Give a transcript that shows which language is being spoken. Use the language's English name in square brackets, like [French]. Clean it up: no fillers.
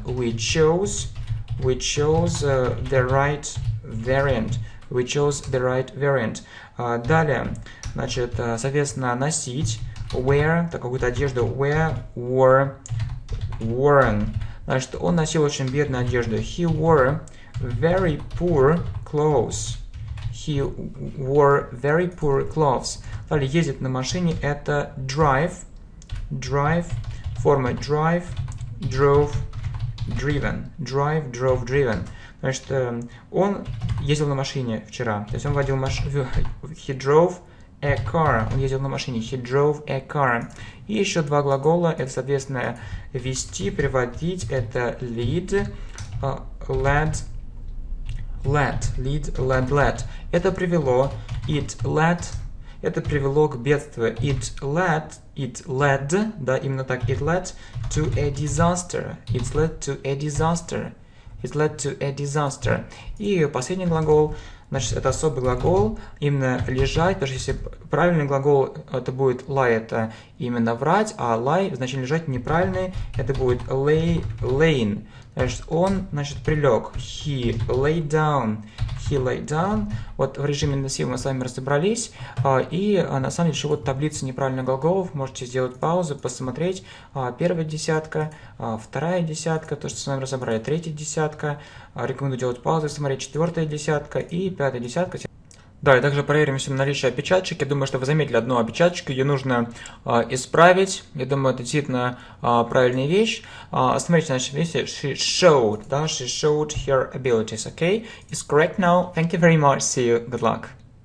[English] We chose. We chose the right variant. We chose the right variant. [Russian] Далее, значит, соответственно, носить. Wear, так какую-то одежду. [English] Wear, wore, worn. [Russian] Значит, он носил очень бедную одежду. [English] He wore very poor clothes. He wore very poor clothes. [Russian] Далее, ездить на машине. Это drive. Drive. [English] Форма drive, drove, driven. Drive, drove, driven. [Russian] Значит, он ездил на машине вчера. То есть он водил машину. [English] He drove a car. [Russian] Он ездил на машине. [English] He drove a car. [Russian] И еще два глагола. Это, соответственно, вести, приводить. [English] Это lead, led, led. Lead, led, led. [Russian] Это привело. [English] It led. [Russian] Это привело к бедствию. [English] It led, [Russian] да, именно так, [English] it led to a disaster. It led to a disaster. It led to a disaster. [Russian] И последний глагол, значит, это особый глагол, именно лежать, потому что если правильный глагол, это будет lie, это именно врать, а lie, значит, лежать неправильный, это будет lay, lain. Значит, он, значит, прилег. [English] He lay down. He lay down. [Russian] Вот в режиме носив мы с вами разобрались. И на самом деле, вот таблица неправильных глаголов. Можете сделать паузу, посмотреть. Первая десятка, вторая десятка, то, что с вами разобрали. Третья десятка. Рекомендую делать паузу, смотреть. Четвертая десятка и пятая десятка. Да, и также проверим все наличие опечаточек. Я думаю, что вы заметили одну опечаточку, ее нужно исправить. Я думаю, это действительно правильная вещь. Смотрите, значит, видите, [English] she showed, да, she showed her abilities, okay? It's correct now. Thank you very much. See you. Good luck.